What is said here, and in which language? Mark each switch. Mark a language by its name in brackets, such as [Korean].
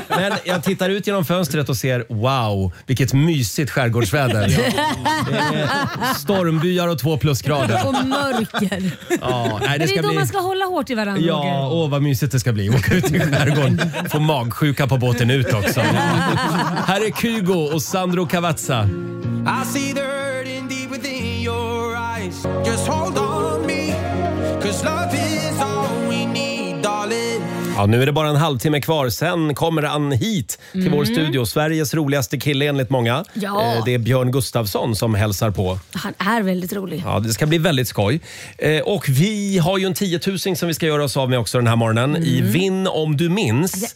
[Swedish] Men jag tittar ut genom fönstret och ser, wow, vilket mysigt skärgårdsväder. Stormbyar och 2+ grader. Och mörker. Ja, nej, det ska bli... man ska hålla hårt i varandra. Ja, åh vad mysigt det ska bli. Åka ut i skärgården. Få magsjuka på båten ut också. Här är Kygo och Sandro Cavazza. [English] I see the hurt in deep within your eyes. Just hold on me. 'Cause love is all we need, darling. [Swedish] Ja, nu är det bara en halvtimme kvar. Sen kommer han hit till vår studio. Sveriges roligaste kille enligt många. Ja. Det är Björn Gustafsson som hälsar på. Han är väldigt rolig. Ja, det ska bli väldigt skoj. Och vi har ju en 10 000 som vi ska göra oss av med också den här morgonen. Mm. I Vinn om du minns.